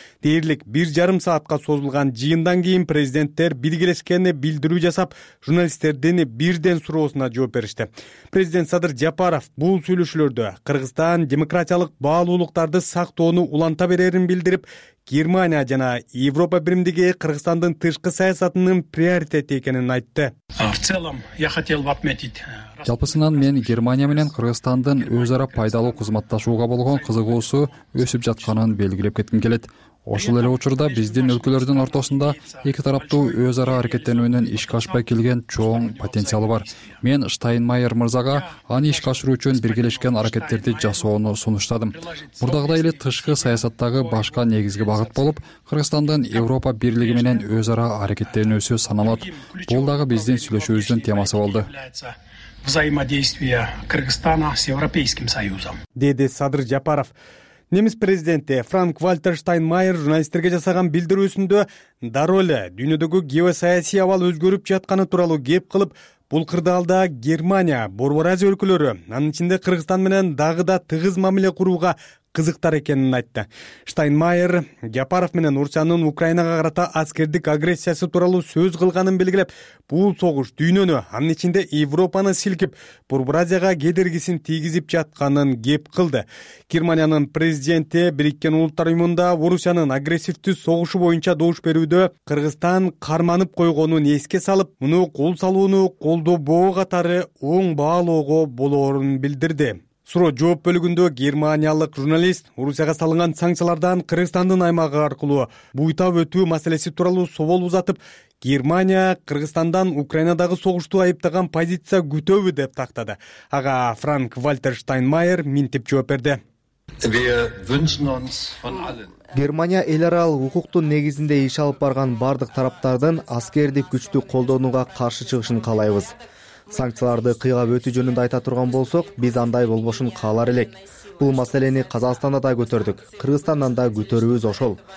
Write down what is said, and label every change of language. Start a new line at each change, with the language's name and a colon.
Kyrgyz: Дээрлик 1,5 саатка созулган жыйындан кийин президенттер билгилешкенине билдирүү жасап, журналисттерден бирден суроосуна жооп беришти. Президент Садыр Жапаров бул сүйлөшүүлөрдө Кыргызстан демократиялык баалуулуктарды сактоону уланта берерин билдирип, Германия жана Европа биримдиги Кыргызстандын тышкы саясатынын приоритети экенин айтты.
Russian: В целом, я хотел бы отметить
Kyrgyz: жалпысынан мен Германия менен Кыргызстандын өз ара пайдалуу кызматташууга болгон кызыгуусу өсүп жатканын белгилеп кетким келет. Ошол эле учурда биздин өлкөлөрдүн ортосунда эки тараптуу өз ара аракеттенүүнүн ишке ашпай келген чоң потенциалы бар. Мен Штайнмайер мырзага аны ишке ашыруу үчүн биргелешкен аракеттерди жасоону сунуштадым. Мурдагыдай эле тышкы саясаттагы башка негизги багыт болуп, Кыргызстандын Европа бирлиги менен өз ара аракеттенүүсү саналат. Бул дагы биздин сүйлөшүүбүздүн темасы болду.
Russian: Взаимодействия Кыргызстана с Европейским Союзом.
Kyrgyz: Деди Садыр Жапаров. Немис президенти Франк-Вальтер Штайнмайер журналисттерге жасаган билдирүүсүндө дароле дүйнөдөгү геосаясий абал өзгөрүп жатканы тууралуу кеп кылып, бул кырдаалда Германия, Борбор Азия өлкөлөрү, анын ичинде Кыргызстан менен дагы да тыгыз мамиле курууга кызыктар экенин айтты. Штайнмайер Жапаров менен Орусиянын Украинага карата аскердик агрессиясы тууралуу сөз кылганын белгилеп, бул согуш дүйнөнү, анын ичинде Европаны силкип, Борбор Азияга кедергисин тийгизип жатканын кеп кылды. Германиянын президенти Бириккен Улуттар Уюмунда Орусиянын агрессивдүү согушу боюнча добуш берүүдө Кыргызстан карманып койгонун эске салып, муну кол салууну колдобоо катары оң баалоого болоорун билдирди. Суроо жооп бөлүгүндө германиялык журналист Орусияга салынган санкциялардан Кыргызстандын аймагы аркылуу буйтап өтүү маселеси тууралуу собол узатып, Германия Кыргызстандан Украинадагы согушту айыптаган позиция күтөбү деп тактады. Ага Франк Вальтер Штайнмайер минтип жооп берди. Германия эл аралык укуктун негизинде иш алып барган бардык тараптардын аскердик күчтү колдонууга каршы чыгышын каалайбыз. Санкцияларды кыйгап өтүү жөнүндө айта турган болсок, биз андай болбошун каалар элек. Бул маселени Казакстанда да көтөрдүк, Кыргызстандан да көтөрүүбүз ошол.